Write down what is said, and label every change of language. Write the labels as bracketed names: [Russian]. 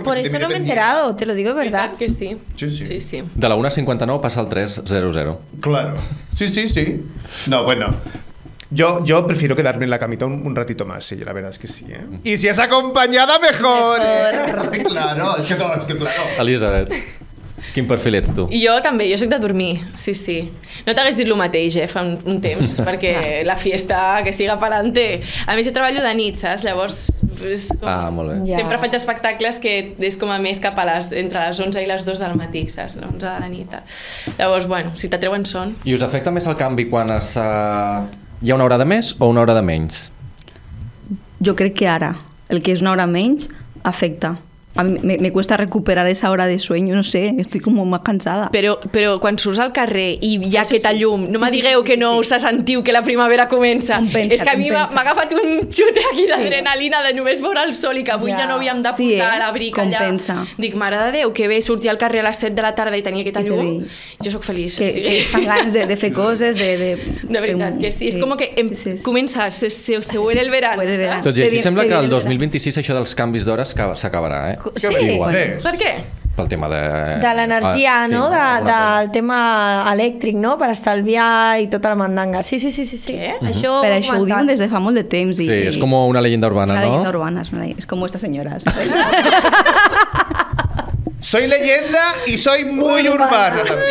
[Spanish] Porque por eso no me he enterado, te lo digo de verdad. Que sí. Sí, sí. Sí, sí. De la 1:59 pasa al 3:00. Claro. Sí, sí, sí. No, bueno... Yo prefiero quedarme en la camita un ratito más, sí, la verdad es que sí, ¿eh? Y si es acompañada, mejor, ¿eh? Claro, es que claro. [Catalan] Elisabeth, quin perfil ets tu? Jo també, jo soc de dormir, sí, sí. No t'hagués dit el mateix, fa un temps, perquè [Spanish] la fiesta, que siga pa'lante. [Catalan] A més, jo treballo de nit, saps? Llavors, és com... Ah, molt bé. Ja. Sempre faig espectacles que és com a més cap a les... entre les 11 i les 2 del matí, saps? No? 11 de la nit. Llavors, bueno, si t'atreuen son... I us afecta més el canvi quan es... Hi ha una hora de més o una hora de menys? Jo crec que ara. El que és una hora menys afecta. [Spanish] A mí me cuesta recuperar esa hora de sueño, no sé, estoy como más cansada. [Catalan] Pero quan surts al carrer i hi ha aquesta llum, no m'adigueu que no us sentiu que la primavera comença. És que a mi m'ha agafat un xute aquí d'adrenalina de només veure el sol i que avui ja no havíem de portar l'abric allà. Dic, mare de Déu, que bé sortir al carrer a les 7 de la tarda i tenir aquesta llum. Jo soc feliç. Que fan ganes de fer coses, de... De veritat, que sí, és com que comença, [Spanish] se huele el verano. [Catalan] Tot i així, sembla que el 2026 això dels canvis d'hores s'acabarà, eh? Sí, per què? Pel tema de... De l'energia, no? Sí, del tema elèctric, no? Per estalviar i tota la mandanga. Sí. Què? Això per això ho diuen des de fa molt de temps. Sí, és com una llegenda urbana, no? Una llegenda urbana, és com esta senyora. [Spanish] Soy leyenda y soy muy urbana.